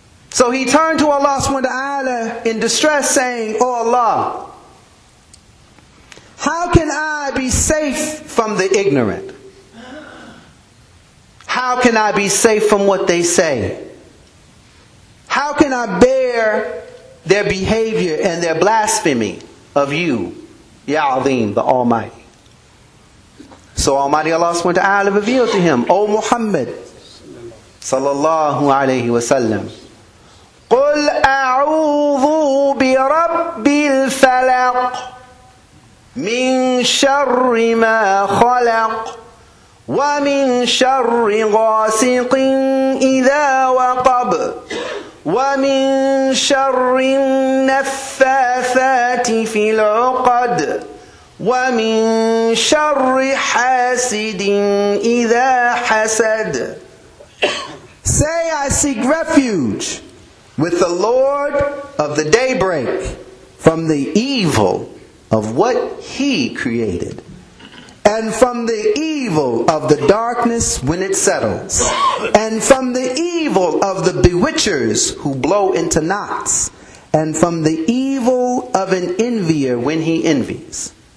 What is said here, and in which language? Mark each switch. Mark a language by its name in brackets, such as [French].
[English] So he turned to Allah subhanahu wa ta'ala in distress, saying, "O Allah, how can I be safe from the ignorant? How can I be safe from what they say? How can I bear their behavior and their blasphemy of you, Ya Azim, the Almighty?" So Almighty Allah subhanahu wa ta'ala revealed to him, "O Muhammad sallallahu alayhi wa sallam, [Arabic] قُلْ أَعُوذُ بِرَبِّ الْفَلَقِ مِنْ شَرِّ مَا خَلَقَ وَمِنْ شَرِّ غَاسِقٍ إِذَا وَقَبَ وَمِنْ شَرِّ النَّفَّاثَاتِ فِي الْعُقَدِ وَمِنْ شَرِّ حَاسِدٍ إِذَا حَسَدَ." [English] Say, "I seek refuge with the Lord of the daybreak from the evil of what He created, and from the evil of the darkness when it settles, and from the evil of the bewitchers who blow into knots, and from the evil of an envier when he envies."